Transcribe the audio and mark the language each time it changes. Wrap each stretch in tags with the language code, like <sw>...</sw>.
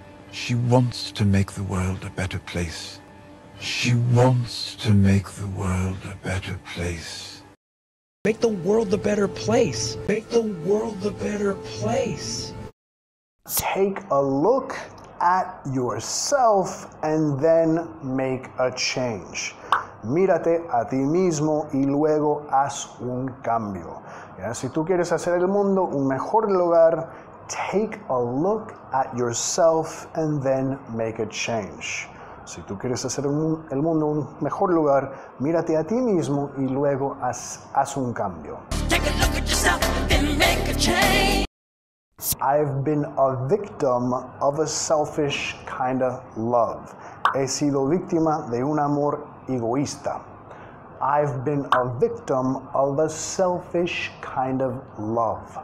<en>she wants to make the world a better place. She wants to make the world a better place. Make the world a better place. Make the world a better place. Take a look at yourself and then make a change.</en> <es>Mírate a ti mismo y luego haz un cambio. ¿Ya? Si tú quieres hacer el mundo un mejor lugar,</es> <en>take a look at yourself and then make a change.</en> <es>Si tú quieres hacer el mundo un mejor lugar, mírate a ti mismo y luego haz un cambio.</es> <en>Take a look at yourself and then make a change. I've been a victim of a selfish kind of love.</en> <es>He sido víctima de un amor egoísta.</es> <en>I've been a victim of a selfish kind of love.</en>